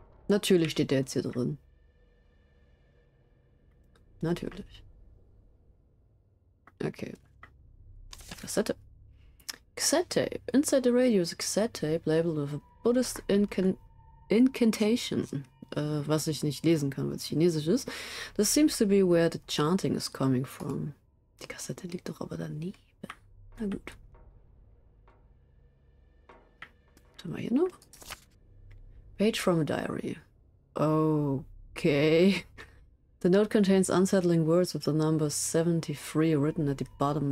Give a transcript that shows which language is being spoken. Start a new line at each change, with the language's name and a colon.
German: Natürlich steht der jetzt hier drin. Natürlich. Okay. Kassette.
English: Cassette tape. Inside the radio is a cassette tape labeled with a Buddhist incantation.
German: Was ich nicht lesen kann, weil es chinesisch ist.
English: This seems to be where the chanting is coming from.
German: Die Kassette liegt doch aber daneben. Na gut. Was haben wir hier noch?
English: Page from a diary. Okay. The note contains unsettling words with the number 73 written at the bottom.